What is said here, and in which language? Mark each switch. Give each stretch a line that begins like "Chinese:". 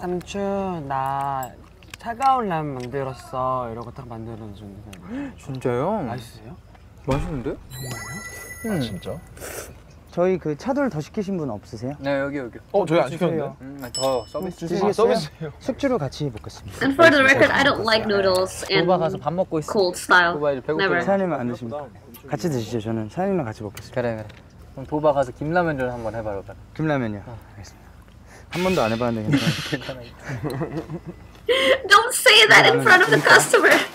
Korean: 삼촌, 나 차가운 라면 만들었어 이러고 딱 만들어준 진짜요? 맛있으세요? 맛있는데? 정말요? 아 진짜? 저희 그 차돌 더 시키신 분 없으세요? 네 여기 어 저희 안 시켰는데? 더 서비스 주시겠어요? 아, 서비스요? 숙주로 같이 먹겠습니다.
English: And for the record, I don't like noodles and
Korean: 고바 가서 밥 먹고 있어
English: cold style
Korean: 고바 이제 배고프다
English: Never.
Korean: 사장님은 안 드십니다 같이 드시죠 저는 사장님이랑 같이 먹겠습니다 그래 그럼 도바 가서 김라면 좀 한번 해봐요 김라면이요? 알겠습니다 한 번도 안 해봤는데 괜찮아요
English: Don't say that in front of the customer.